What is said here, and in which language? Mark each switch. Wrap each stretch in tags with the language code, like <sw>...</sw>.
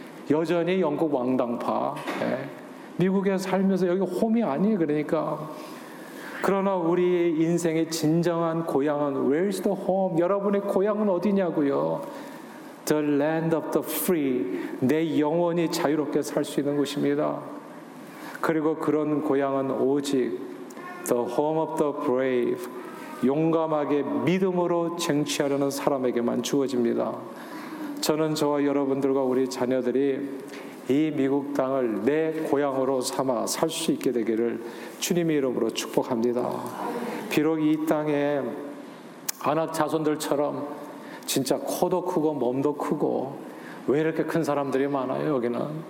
<ko>여전히 영국 왕당파. 네. 미국에 살면서 여기 홈이 아니에요, 그러니까. 그러나 우리의 인생의 진정한 고향은</ko> <en>Where's the home?</en> <ko>여러분의 고향은 어디냐고요?</ko> <en>The land of the free.</en> <ko>내 영혼이 자유롭게 살 수 있는 곳입니다. 그리고 그런 고향은 오직</ko> <en>The home of the brave.</en> <ko>용감하게 믿음으로 쟁취하려는 사람에게만 주어집니다. 저는 저와 여러분들과 우리 자녀들이 이 미국 땅을 내 고향으로 삼아 살 수 있게 되기를 주님의 이름으로 축복합니다. 비록 이 땅에 아낙 자손들처럼 진짜 코도 크고 몸도 크고 왜 이렇게 큰 사람들이 많아요, 여기는.</ko>